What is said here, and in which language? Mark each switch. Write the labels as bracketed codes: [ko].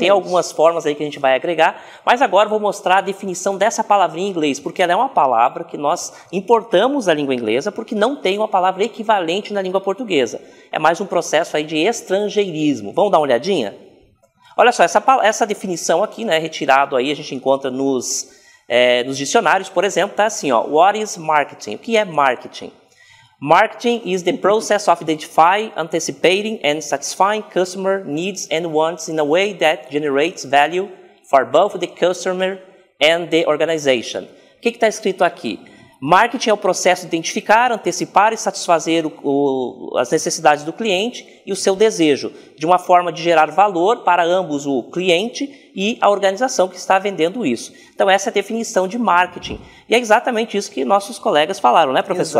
[pt] Tem algumas formas aí que a gente vai agregar, mas agora eu vou mostrar a definição dessa palavra em inglês, porque ela é uma palavra que nós importamos da língua inglesa, porque não tem uma palavra equivalente na língua portuguesa. É mais um processo aí de estrangeirismo. Vamos dar uma olhadinha? Olha só, essa definição aqui, né, retirado aí, a gente encontra nos dicionários, por exemplo, tá assim, ó, [en] what is marketing? [pt] O que é marketing? [en] Marketing is the process of identifying, anticipating and satisfying customer needs and wants in a way that generates value for both the customer and the organization. [pt] O que está escrito aqui? Marketing é o processo de identificar, antecipar e satisfazer as necessidades do cliente e o seu desejo, de uma forma de gerar valor para ambos o cliente e a organização que está vendendo isso. Então essa é a definição de marketing. E é exatamente isso que nossos colegas falaram, né, professor?